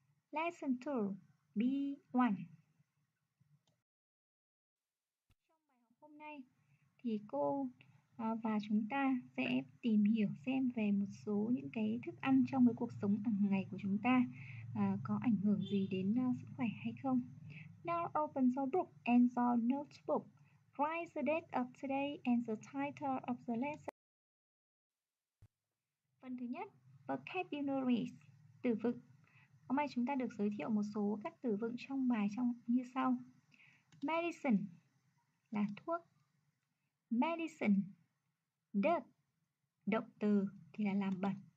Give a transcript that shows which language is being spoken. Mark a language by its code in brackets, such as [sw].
[vi] Lesson 2, B1. Trong bài học hôm nay, thì cô và chúng ta sẽ tìm hiểu xem về một số những cái thức ăn trong cái cuộc sống hàng ngày của chúng ta. Có ảnh hưởng gì đến sức khỏe hay không? [en] Now open your book and your notebook. Write the date of today and the title of the lesson. [vi] Phần thứ nhất, vocabulary, từ vựng. Hôm nay chúng ta được giới thiệu một số các từ vựng trong bài trong như sau. Medicine là thuốc. Medicine, dirt, động từ thì là làm bẩn.